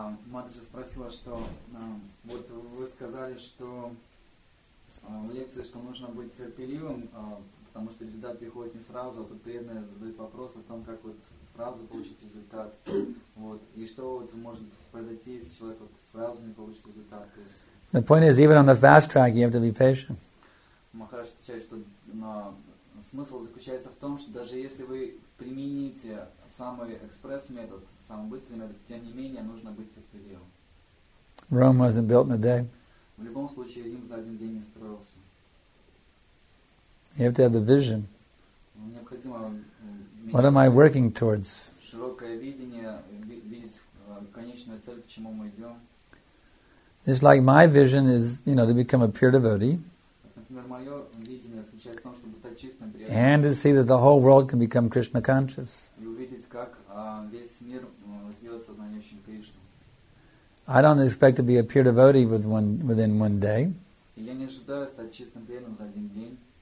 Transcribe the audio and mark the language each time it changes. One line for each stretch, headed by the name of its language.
Russian: Матаджи спросила, что вот вы сказали, что в лекции, что нужно быть терпеливым, потому что результат приходит не сразу, а тут преданные задают вопрос о том, как вот сразу получить результат. Вот. И что вот может произойти, если человек вот сразу не получит результат? То есть...
English: The point is, even on the fast track, you have to be patient.
Russian: Махараш отвечает, что смысл заключается в том, что даже если вы примените самый экспресс метод, самый быстрый метод, тем не менее нужно быть терпеливым.
English: Rome wasn't built in a day.
Russian: В любом случае, Рим за один день не строился.
English: You have to have the vision.
Russian: Необходимо.
English: What am I working towards?
Russian: Широкое видение, видеть конечную цель, к чему мы идем.
English: Just like my vision is, you know, to become a pure devotee.
Russian: Например, мое видение заключается в том, чтобы стать чистым преданным.
English: And to see that the whole world can become Krishna conscious.
Russian: И увидеть, как весь мир сделает сознанием Кришны.
English: I don't expect to be a pure devotee within one day.
Russian: Я не ожидаю стать чистым преданным за один день.